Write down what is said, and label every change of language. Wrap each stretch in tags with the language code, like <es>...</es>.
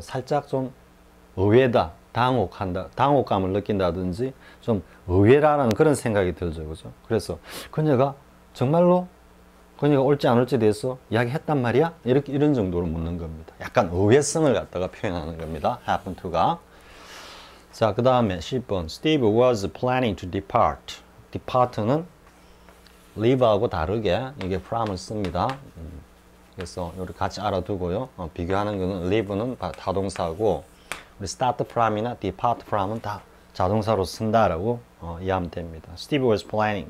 <ko>살짝 좀 의외다, 당혹한다, 당혹감을 느낀다든지 좀 의외라는 그런 생각이 들죠, 그죠? 그래서 그녀가 정말로 그녀가 올지 안 올지에 대해서 이야기했단 말이야? 이렇게 이런 정도로 묻는 겁니다. 약간 의외성을 갖다가 표현하는 겁니다. happen to가. 자, 그 다음에 10번.</ko> <en>Steve was planning to depart.</en> <ko>depart는 leave하고 다르게 이게 from을 씁니다. 그래서 이렇게 같이 알아두고요. 비교하는 거는 leave는 타동사고, start from 이나 depart from 은 다 자동사로 쓴다라고 이해하면 됩니다.</ko> <en>Steve was planning.</en>